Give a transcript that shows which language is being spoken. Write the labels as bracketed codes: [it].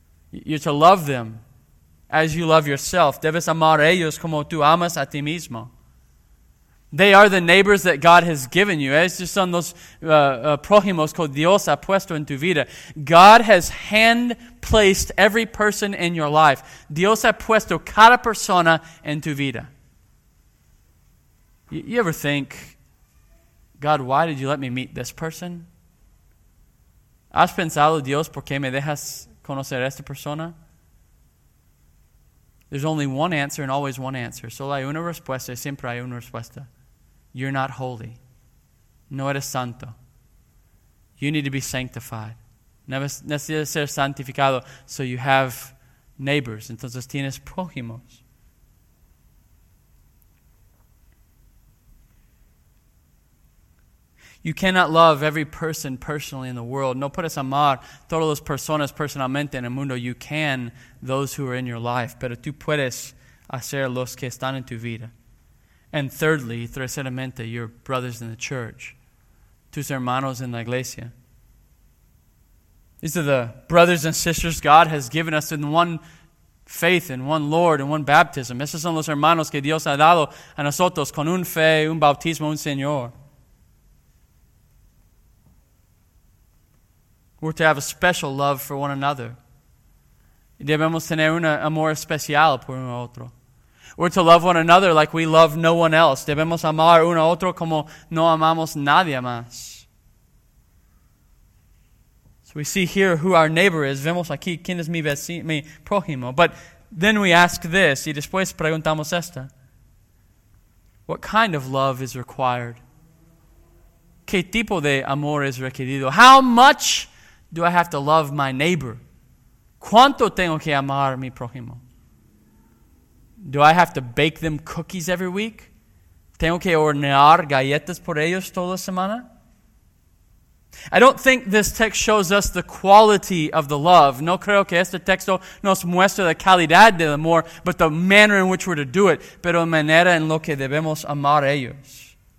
[en] You're to love them as you love yourself. [es] Debes amar ellos como tú amas a ti mismo. [en] They are the neighbors that God has given you. [es] Estos son los prójimos que Dios ha puesto en tu vida. [en] God has hand-placed every person in your life. [es] Dios ha puesto cada persona en tu vida. [en] You ever think, God, why did you let me meet this person? [es] ¿Has pensado, Dios, por qué me dejas conocer a esta persona? [en] There's only one answer and always one answer. [es] Solo hay una respuesta y siempre hay una respuesta. [en] You're not holy. [es] No eres santo. [en] You need to be sanctified. [es] Necesitas ser santificado. [en] So you have neighbors. [es] Entonces tienes prójimos. [en] You cannot love every person personally in the world. [es] No puedes amar todas las personas personalmente en el mundo. [en] You can those who are in your life. [es] Pero tú puedes hacer los que están en tu vida. [en] And thirdly, terceramente, your brothers in the church, [es] tus hermanos en la iglesia. [en] These are the brothers and sisters God has given us in one faith, in one Lord, in one baptism. [es] Esos son los hermanos que Dios ha dado a nosotros con un fe, un bautismo, un Señor. [en] We're to have a special love for one another. [es] Debemos tener un amor especial por uno otro. [en] We're to love one another like we love no one else. [es] Debemos amar uno a otro como no amamos nadie más. [en] So we see here who our neighbor is. [es] Vemos aquí quién es mi prójimo. [en] But then we ask this, [es] y después preguntamos esta. [en] What kind of love is required? [es] ¿Qué tipo de amor es requerido? [en] How much do I have to love my neighbor? [es] ¿Cuánto tengo que amar mi prójimo? [en] Do I have to bake them cookies every week? [es] ¿Tengo que hornear galletas por ellos toda la semana? [en] I don't think this text shows us the quality of the love. [es] No creo que este texto nos muestre la calidad del amor, [en] but the manner in which we're to do it, [es] pero la manera en lo que debemos amar ellos.